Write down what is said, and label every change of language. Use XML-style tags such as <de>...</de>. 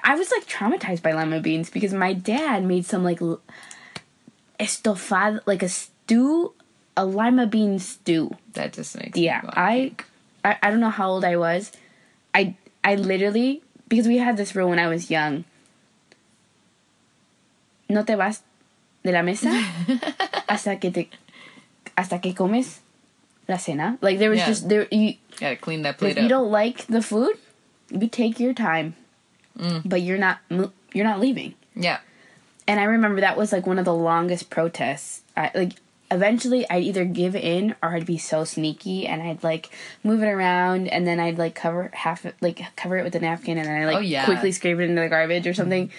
<en>I was, like, traumatized by lima beans because my dad made some, like, estofado, like, a lima bean stew. That just makes sense. Yeah. I don't know how old I was. I literally, because we had this rule when I was young.</en> <es>No te vas de la mesa hasta que comes la cena.</es> <en>Like, there was you gotta clean that plate up. If you don't like the food, you take your time, but you're not leaving. Yeah. And I remember that was, like, one of the longest protests. Eventually, I'd either give in or I'd be so sneaky and I'd, like, move it around and then I'd, like, cover it with a napkin and then I'd, like, quickly scrape it into the garbage or something.</en>